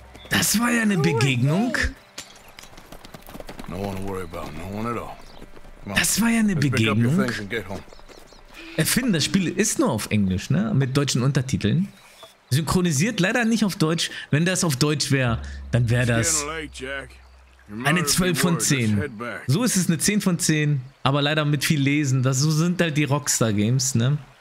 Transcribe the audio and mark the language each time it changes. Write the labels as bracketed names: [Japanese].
[German] Das war ja eine Begegnung. [English] No one to worry about, no one at all. [German] Das war ja eine Begegnung. Erfinden, das Spiel ist nur auf Englisch, ne? Mit deutschen Untertiteln. Synchronisiert leider nicht auf Deutsch. Wenn das auf Deutsch wäre, dann wäre das eine 12 von 10. So ist es eine 10 von 10, aber leider mit viel Lesen. Das, so sind halt die Rockstar Games, ne?